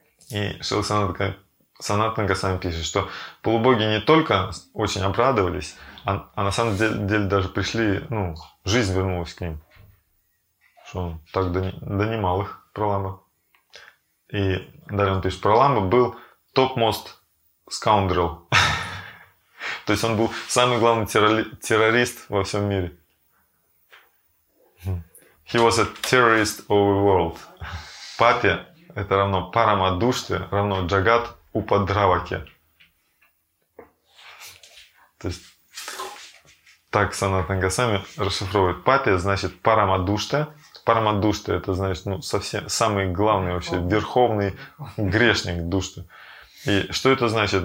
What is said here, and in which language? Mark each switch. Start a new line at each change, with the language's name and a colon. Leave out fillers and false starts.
Russian: И Шрила Санатана Госвами пишет, что полубоги не только очень обрадовались, а на самом деле даже пришли, ну, жизнь вернулась к ним. Что он так донимал их, Праламба. И далее он пишет, Праламба был
English: топ-мост скаундрел.
Russian: То есть он был самый главный террорист во всем мире.
English: He was a terrorist of the world.
Russian: Папе это равно Парамадуште, равно Джагат Упадраваке. То есть так Санатана Госвами расшифровывает. Папе значит Парамадуште. Парамадуште это значит, ну, совсем самый главный вообще верховный грешник Душты. И что это значит?